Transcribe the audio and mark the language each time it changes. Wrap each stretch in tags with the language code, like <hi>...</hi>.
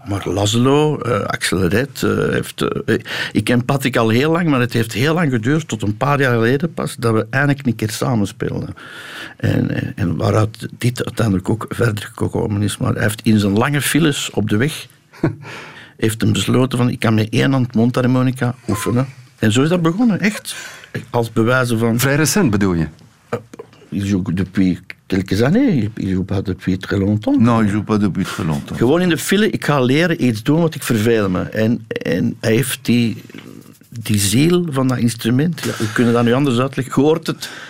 <nl>Maar Laszlo, Axel Red, heeft... ik ken Patrick al heel lang, maar het heeft heel lang geduurd, tot een paar jaar geleden pas, dat we eindelijk een keer samen speelden. En waaruit dit uiteindelijk ook verder gekomen is. Maar hij heeft in zijn lange files op de weg heeft hem besloten van, ik kan met één hand mondharmonica oefenen. En zo is dat begonnen, echt. Als bewijzen van... Vrij recent bedoel je?</nl> <fr>Il joue depuis quelques années. Il joue pas depuis très longtemps. Non, il joue pas depuis très longtemps.</fr> <nl>Gewoon in de file, ik ga leren iets doen wat ik vervel me. En hij heeft die ziel van dat instrument. Ja, we kunnen dat nu anders uitleggen. Je hoort het.</nl>